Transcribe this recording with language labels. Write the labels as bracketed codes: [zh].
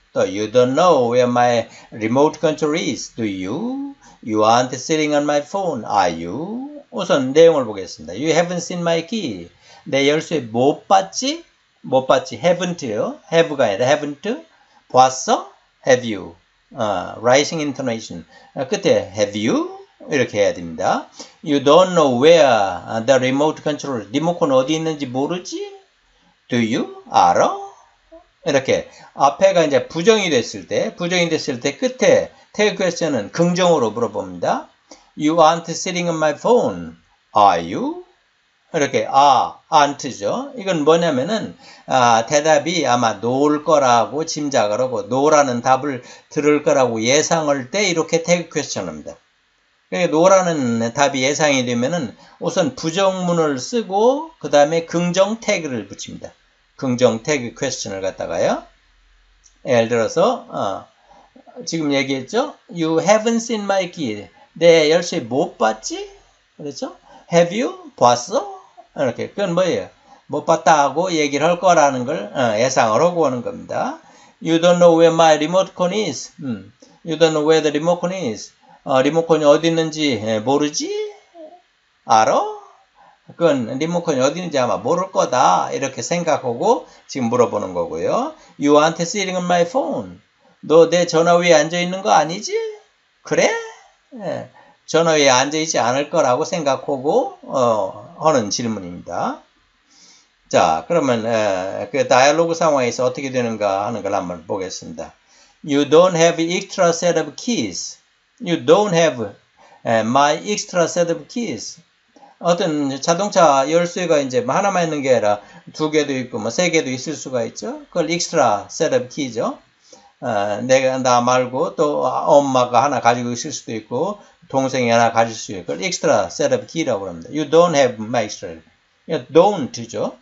[en] 또, You don't know where my remote control is, do you? You aren't sitting on my phone, are you? [ko] 우선 내용을 보겠습니다. [en] You haven't seen my key. [ko] 내 열쇠 못 봤지? 못 봤지? [en] Haven't요? [ko] Have가 아니라 haven't. 봤어? Have you? [en] Rising intonation. [ko] 끝에 have you? 이렇게 해야 됩니다. [en] You don't know where the remote control. [ko] 리모컨 어디 있는지 모르지? Do you? 알아? 이렇게 앞에가 이제 부정이 됐을 때, 부정이 됐을 때 끝에 take question은 긍정으로 물어봅니다. [en] You aren't sitting on my phone, are you? [ko] 이렇게 aren't죠. 이건 뭐냐면은 대답이 아마 no일 거라고 짐작을 하고 no라는 답을 들을 거라고 예상할 때 이렇게 태그 퀘스천입니다. 그러니까 no라는 답이 예상이 되면은 우선 부정문을 쓰고 그 다음에 긍정 태그를 붙입니다. 긍정 태그 퀘스천을 갖다가요. 예를 들어서 지금 얘기했죠? [en] You haven't seen my key. [ko] 내 열쇠 못 봤지? 그렇죠? Have you? 봤어? 이렇게. 그건 뭐예요? 못 봤다고 얘기를 할 거라는 걸 예상을 하고 오는 겁니다. [en] You don't know where my remote con is. You don't know where the remote con is. [ko] 리모컨이 어디 있는지 모르지? 알아? 그건 리모컨이 어디 있는지 아마 모를 거다. 이렇게 생각하고 지금 물어보는 거고요. [en] You aren't sitting on my phone. [ko] 너내 전화 위에 앉아 있는 거 아니지? 그래? 예, 전화 위에 앉아 있지 않을 거라고 생각하고 하는 질문입니다. 자, 그러면 그 다이아로그 상황에서 어떻게 되는가 하는 걸 한번 보겠습니다. [en] You don't have extra set of keys. You don't have my extra set of keys. [ko] 어떤 자동차 열쇠가 이제 하나만 있는 게 아니라 두 개도 있고 뭐세 개도 있을 수가 있죠. 그걸 extra set of keys죠. 내가 나 말고 또 엄마가 하나 가지고 있을 수도 있고 동생이 하나 가질 수 있고 그걸 extra set of key라고 합니다. [en] You don't have my extra. [ko] Don't죠.